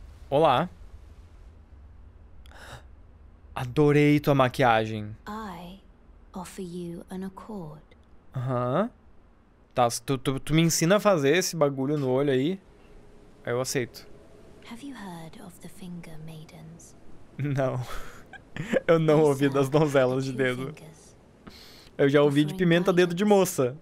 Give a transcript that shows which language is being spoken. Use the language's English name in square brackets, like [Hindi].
[Portuguese] Olá. Adorei tua maquiagem. [English] I offer you an accord. [Portuguese] Aham. Tá, tu me ensina a fazer esse bagulho no olho aí. Aí eu aceito. [English] Have you heard of the finger maidens? [Portuguese] Não. Eu não ouvi das donzelas de dedo. Eu já ouvi de pimenta dedo de moça.